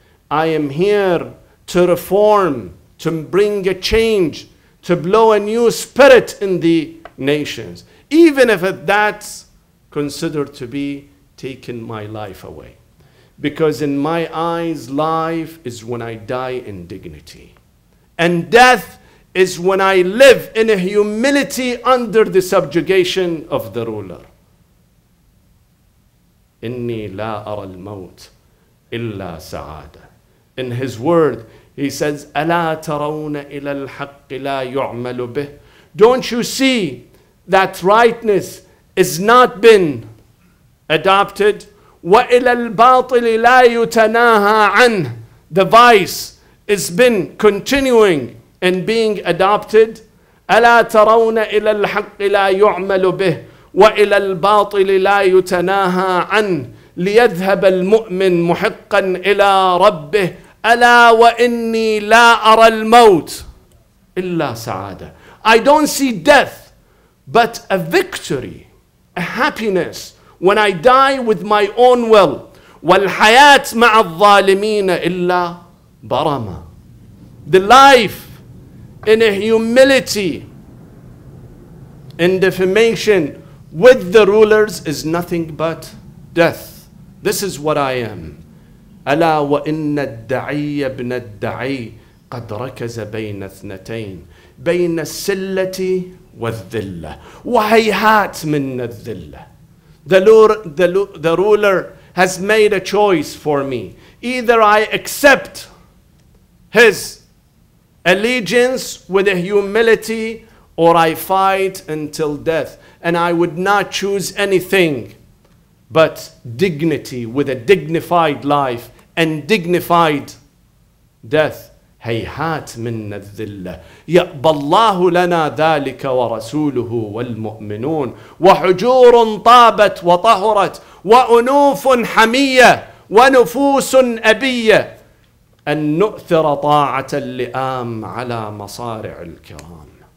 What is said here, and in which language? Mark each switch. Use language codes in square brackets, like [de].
[en] I am here to reform, to bring a change, to blow a new spirit in the nations, even if that's considered to be taking my life away. Because in my eyes, life is when I die in dignity. And death is when I live in a humility under the subjugation of the ruler. [ar] إني لا أرى الموت إلا سعادة. [en] In his word, he says, [ar] أَلَا تَرَوْنَ إِلَى الْحَقِّ لَا يُعْمَلُ بِهِ. [en] Don't you see that rightness is not been adopted? [ar] وَإِلَى الْبَاطِلِ لَا يُتَنَاهَا عَنْهِ. [en] The vice is been continuing and being adopted. [ar] أَلَا تَرَوْنَ إِلَى الْحَقِّ لَا يُعْمَلُ بِهِ وَإِلَى الْبَاطِلِ لَا يُتَنَاهَا عَنْهِ لِيَذْهَبَ الْمُؤْمِنُ مُحِقًّا إِلَى رَبِّهِ أَلَا وَإِنِّي لَا أَرَى الْمَوْتِ إِلَّا سَعَادَةً. [en] I don't see death, but a victory, a happiness, when I die with my own will. [ar] وَالْحَيَاةِ مَعَ الظَّالِمِينَ إِلَّا بَرَمَا. [en] The life in a humility, in defamation with the rulers is nothing but death. This is what I am. [ar] أَلَا وَإِنَّ الدَّعِيَّ ابْنَ الدَّعِيِّ قَدْ رَكَزَ بَيْنَ اثْنَتَيْنِ بَيْنَ السِّلَّةِ وَالذِّلَّةِ وَهَيْهَاتْ مِنَّ الذِّلَّةِ. [en] The ruler has made a choice for me. Either I accept his allegiance with a humility, or I fight until death. And I would not choose anything But dignity with a dignified life and dignified death. [ar] هيهات من الذلة يأبى الله لنا ذلك ورسوله والمؤمنون وحجور طابت وطهرت وأنوف حمية ونفوس أبية أن نؤثر طاعة اللئام على مصارع الكرام.